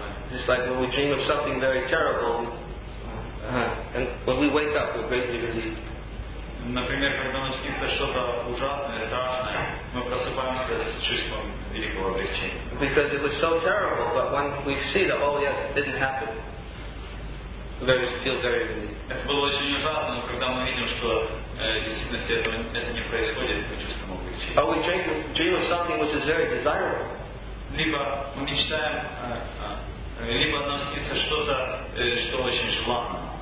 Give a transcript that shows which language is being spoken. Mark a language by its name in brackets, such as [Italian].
[English] It's like when we dream of something very terrible, and when we wake up we're greatly relieved. [Russian] Например, когда нам снится что-то ужасное, страшное, мы просыпаемся с чувством великого облегчения. [English] Because it was so terrible, but when we see that, oh yes, it didn't happen, we feel very relieved. [Russian] Это было очень ужасно, но когда мы видим, что действительности это не происходит, мы чувствуем облегчение. [English] Or we dream of something which is very desirable. [Russian] Либо мы мечтаем, либо нам снится что-то, что очень желанно.